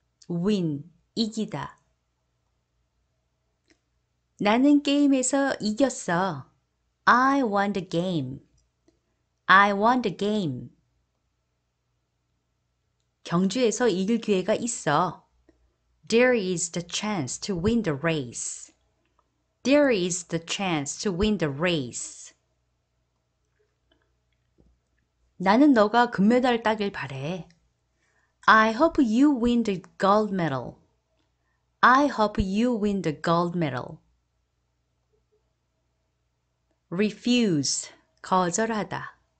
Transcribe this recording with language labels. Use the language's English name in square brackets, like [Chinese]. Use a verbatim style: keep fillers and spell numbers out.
[English] win, 이기다. [Korean] 나는 게임에서 이겼어. [English] I won the game. I won the game. [Korean] 경주에서 이길 기회가 있어. [English] There is the chance to win the race. There is the chance to win the race. [Korean] 나는 너가 금메달 따길 바래. [English] I hope you win the gold medal. I hope you win the gold medal. refuse, 거절하다.